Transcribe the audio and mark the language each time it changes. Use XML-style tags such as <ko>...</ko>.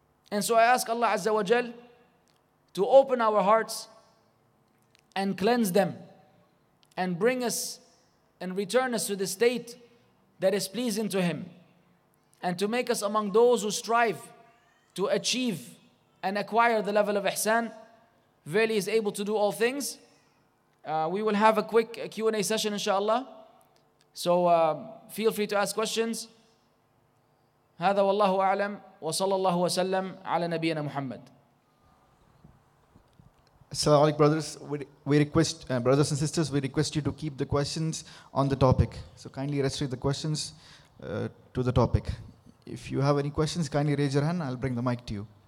<en>And so I ask Allah Azza wa Jal to open our hearts and cleanse them and bring us and return us to the state that is pleasing to Him, and to make us among those who strive to achieve and acquire the level of ihsan. Verily is able to do all things. We will have a quick Q&A session, inshallah. So feel free to ask questions.</en> <ar>هذا والله أعلم وصلى الله وسلم على نبينا محمد.</ar> <en>Assalamu alaikum, brothers. We request, brothers and sisters, you to keep the questions on the topic. So kindly restrict the questions to the topic. If you have any questions, kindly raise your hand. I'll bring the mic to you.</en>